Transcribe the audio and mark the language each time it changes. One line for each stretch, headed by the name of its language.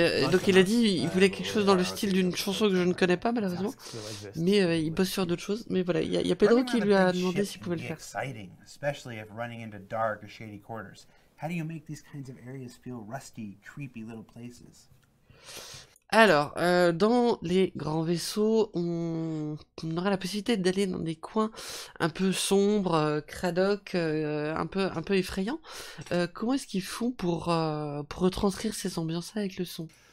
French: Donc il a dit il voulait quelque chose dans le style d'une chanson que je ne connais pas malheureusement, mais il bosse sur d'autres choses. Mais voilà, il y a Pedro qui lui a demandé s'il pouvait le faire.
English: Exciting, especially if running into dark or shady quarters. How do you make these kinds of areas feel rusty, creepy little places?
French: Alors, dans les grands vaisseaux, on aura la possibilité d'aller dans des coins un peu sombres, cradoc, un peu effrayants. Comment est-ce qu'ils font pour retranscrire ces ambiances-là avec le son?